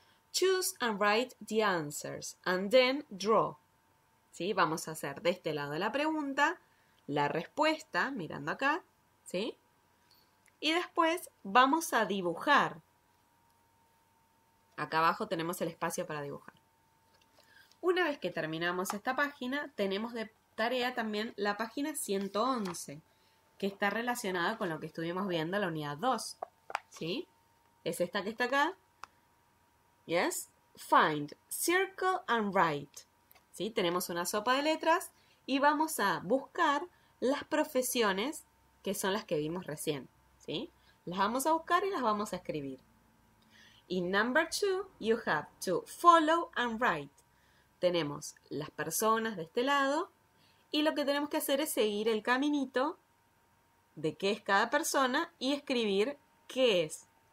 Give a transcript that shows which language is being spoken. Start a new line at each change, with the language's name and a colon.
English: Choose and write the answers and then draw.
Spanish: ¿Sí? Vamos a hacer de este lado la pregunta, la respuesta, mirando acá, ¿sí? Y después vamos a dibujar. Acá abajo tenemos el espacio para dibujar. Una vez que terminamos esta página, tenemos de tarea también la página 111, que está relacionada con lo que estuvimos viendo en la unidad 2. ¿Sí? Es esta que está acá.
English: Yes, find, circle and write.
Spanish: ¿Sí? Tenemos una sopa de letras y vamos a buscar las profesiones que son las que vimos recién. ¿Sí? Las vamos a buscar y las vamos a escribir.
English: In number two, you have to follow and write.
Spanish: Tenemos las personas de este lado y lo que tenemos que hacer es seguir el caminito de qué es cada persona y escribir qué es.